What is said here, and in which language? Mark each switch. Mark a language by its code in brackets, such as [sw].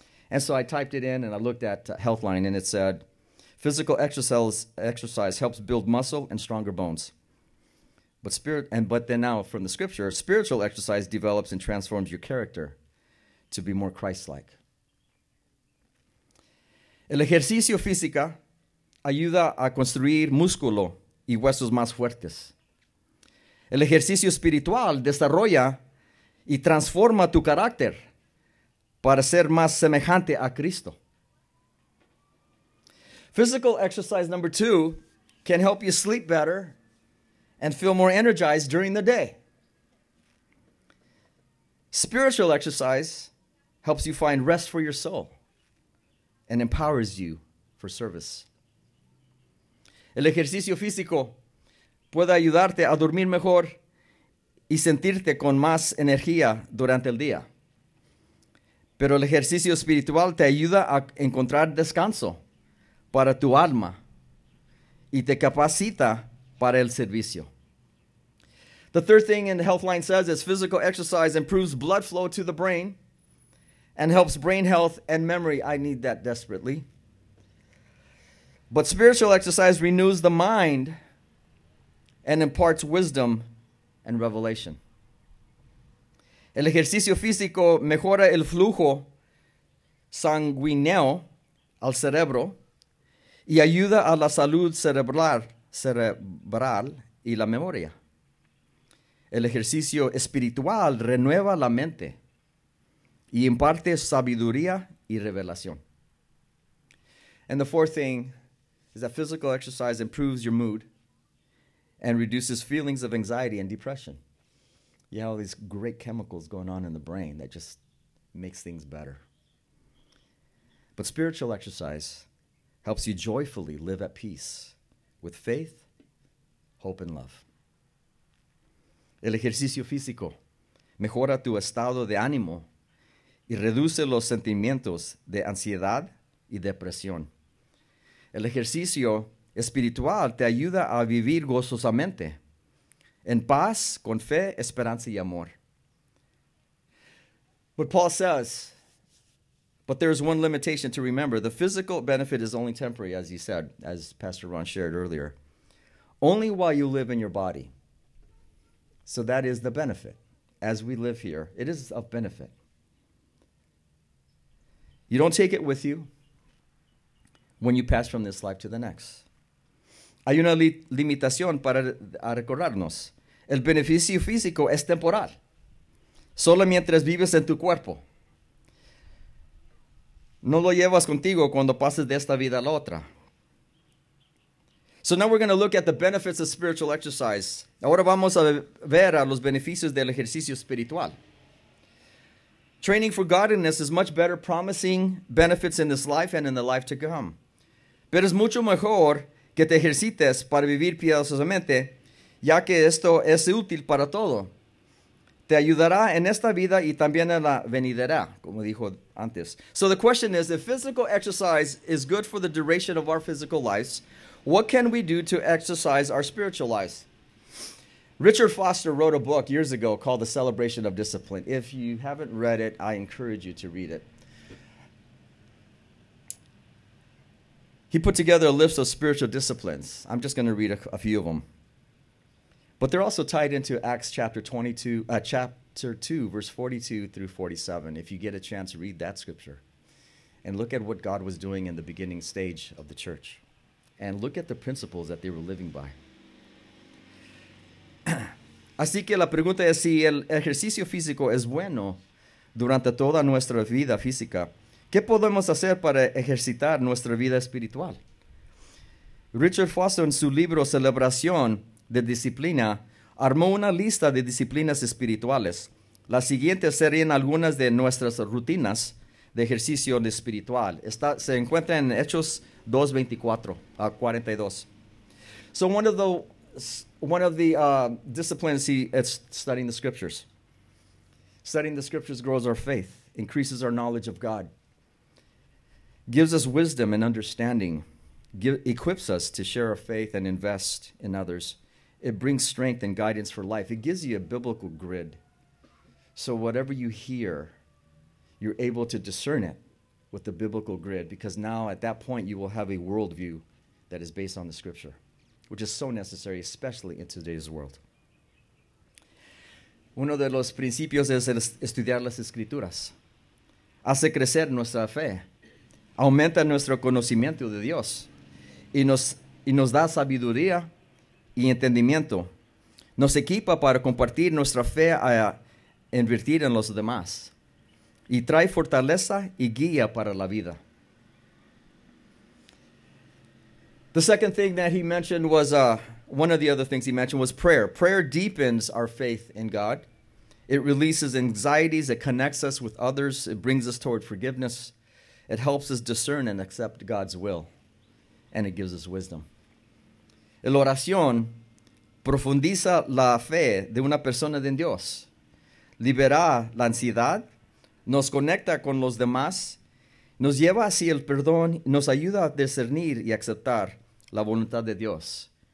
[en] And so I typed it in and I looked at Healthline and it said, physical exercise helps build muscle and stronger bones. But then now from the scripture, spiritual exercise develops and transforms your character to be more Christ-like. [es] El ejercicio física ayuda a construir músculo y huesos más fuertes. El ejercicio espiritual desarrolla y transforma tu carácter para ser más semejante a Cristo. [en] Physical exercise number two can help you sleep better and feel more energized during the day. Spiritual exercise helps you find rest for your soul and empowers you for service. [es] El ejercicio físico puede ayudarte a dormir mejor y sentirte con más energía durante el día. Pero el ejercicio espiritual te ayuda a encontrar descanso para tu alma y te capacita para el servicio. [en] The third thing in the Healthline says is physical exercise improves blood flow to the brain and helps brain health and memory. I need that desperately. But spiritual exercise renews the mind and imparts wisdom and revelation. [es] El ejercicio físico mejora el flujo sanguíneo al cerebro y ayuda a la salud cerebral y la memoria. El ejercicio espiritual renueva la mente y imparte sabiduría y revelación. [en] And the fourth thing is that physical exercise improves your mood and reduces feelings of anxiety and depression. You have all these great chemicals going on in the brain that just makes things better. But spiritual exercise helps you joyfully live at peace with faith, hope, and love. [es] El ejercicio físico mejora tu estado de ánimo y reduce los sentimientos de ansiedad y depresión. El ejercicio espiritual te ayuda a vivir gozosamente, en paz, con fe, esperanza y amor. [en] What Paul says, but there is one limitation to remember. The physical benefit is only temporary, as he said, as Pastor Ron shared earlier. Only while you live in your body. So that is the benefit. As we live here, it is of benefit. You don't take it with you when you pass from this life to the next. [es] Hay una limitación para recordarnos. El beneficio físico es temporal. Solo mientras vives en tu cuerpo. No lo llevas contigo cuando pases de esta vida a la otra. [en] So now we're going to look at the benefits of spiritual exercise. [es] Ahora vamos a ver a los beneficios del ejercicio espiritual. [en] Training for godliness is much better promising benefits in this life and in the life to come. [es] Pero es mucho mejor que te ejercites para vivir piadosamente, ya que esto es útil para todo. Te ayudará en esta vida y también en la venidera, como dijo antes. [en] So the question is, if physical exercise is good for the duration of our physical lives, what can we do to exercise our spiritual lives? Richard Foster wrote a book years ago called The Celebration of Discipline. If you haven't read it, I encourage you to read it. He put together a list of spiritual disciplines. I'm just going to read a few of them. But they're also tied into Acts chapter 2, verse 42 through 47. If you get a chance, read that scripture. And look at what God was doing in the beginning stage of the church. And look at the principles that they were living by. [es] Así que la pregunta es si el ejercicio físico es bueno durante toda nuestra vida física. ¿Qué podemos hacer para ejercitar nuestra vida espiritual? Richard Foster, en su libro Celebración de Disciplina, armó una lista de disciplinas espirituales. Las siguientes serían algunas de nuestras rutinas de ejercicio espiritual. Se encuentra en Hechos 2:24-42. [en] So one of the disciplines, it's studying the scriptures. Studying the scriptures grows our faith, increases our knowledge of God, gives us wisdom and understanding, equips us to share our faith and invest in others. It brings strength and guidance for life. It gives you a biblical grid. So whatever you hear, you're able to discern it with the biblical grid, because now at that point you will have a worldview that is based on the scripture, which is so necessary, especially in today's world. [es] Uno de los principios es estudiar las escrituras. Hace crecer nuestra fe. Aumenta nuestro conocimiento de Dios. Y nos da sabiduría y entendimiento. Nos equipa para compartir nuestra fe a invertir en los demás. Y trae fortaleza y guía para la vida. [en] The second thing that he mentioned was, one of the other things he mentioned was prayer. Prayer deepens our faith in God. It releases anxieties. It connects us with others. It brings us toward forgiveness. It helps us discern and accept God's will. And it gives us wisdom. [es] El oración profundiza la fe de una persona en Dios. Libera la ansiedad. Nos conecta con los demás. Nos lleva hacia el perdón. Nos ayuda a discernir y aceptar la voluntad de Dios.